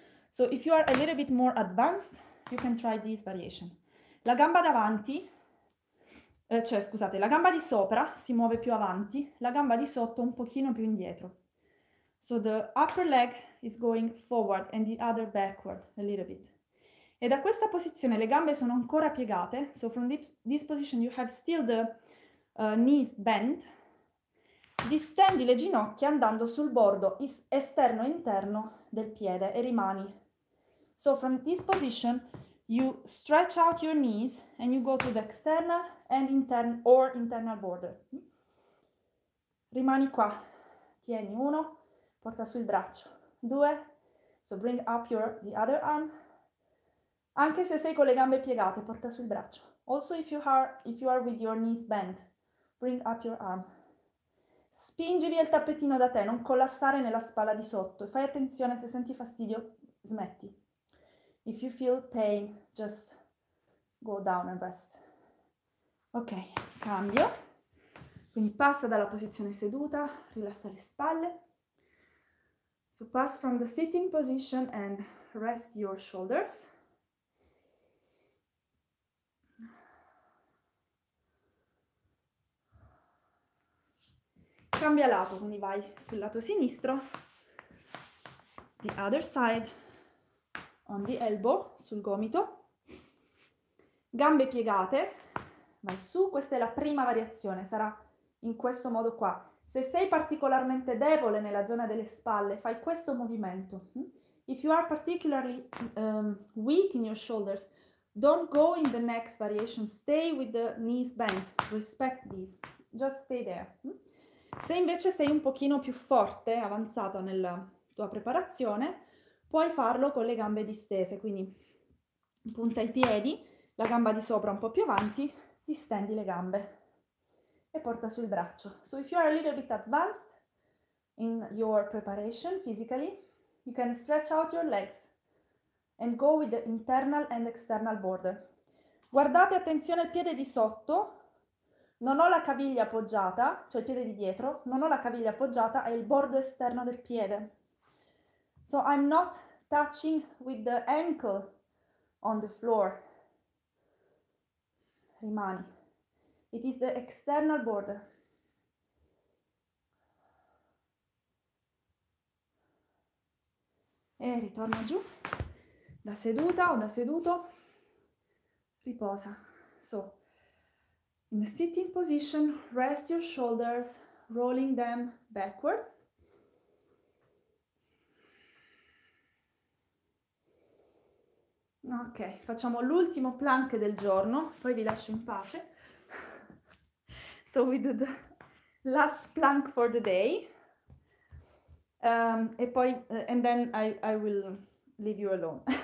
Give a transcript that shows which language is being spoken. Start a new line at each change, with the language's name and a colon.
English: So if you are a little bit more advanced, you can try this variation.
Italian: La gamba davanti, cioè scusate, la gamba di sopra si muove più avanti, la gamba di sotto un pochino più indietro.
English: So the upper leg is going forward and the other backward a little bit.
Italian: E da questa posizione le gambe sono ancora piegate.
English: So from this position you have still the knees bent.
Italian: Distendi le ginocchia andando sul bordo esterno e interno del piede e rimani.
English: So from this position you stretch out your knees and you go to the external and internal or internal border.
Italian: Rimani qua. Tieni uno, porta sul braccio. Due.
English: So bring up the other arm.
Italian: Anche se sei con le gambe piegate, porta sul braccio.
English: Also if you are with your knees bent, bring up your arm.
Italian: Spingi via il tappetino da te, non collassare nella spalla di sotto. Fai attenzione, se senti fastidio, smetti.
English: If you feel pain, just go down and rest.
Italian: Ok, cambio. Quindi passa dalla posizione seduta, rilassa le spalle.
English: So pass from the sitting position and rest your shoulders.
Italian: Cambia lato, quindi vai sul lato sinistro,
English: the other side, on the elbow,
Italian: sul gomito, gambe piegate, vai su, questa è la prima variazione, sarà in questo modo qua. Se sei particolarmente debole nella zona delle spalle, fai questo movimento.
English: If you are particularly weak in your shoulders, don't go in the next variation, stay with the knees bent, respect this, just stay there.
Italian: Se invece sei un pochino più forte, avanzato nella tua preparazione, puoi farlo con le gambe distese, quindi punta i piedi, la gamba di sopra un po' più avanti, distendi le gambe e porta sul braccio.
English: So if you are a little bit advanced in your preparation physically, you can stretch out your legs and go with the internal and external border.
Italian: Guardate attenzione al piede di sotto. Non ho la caviglia appoggiata, cioè il piede di dietro, non ho la caviglia appoggiata al bordo esterno del piede.
English: So I'm not touching with the ankle on the floor.
Italian: Rimani.
English: It is the external border.
Italian: E ritorna giù, da seduta o da seduto, riposa.
English: So, in a sitting position, rest your shoulders, rolling them backward.
Italian: Ok, facciamo l'ultimo plank del giorno, poi vi lascio in pace.
English: So we do the last plank for the day.
Italian: E poi,
English: and then I will leave you alone.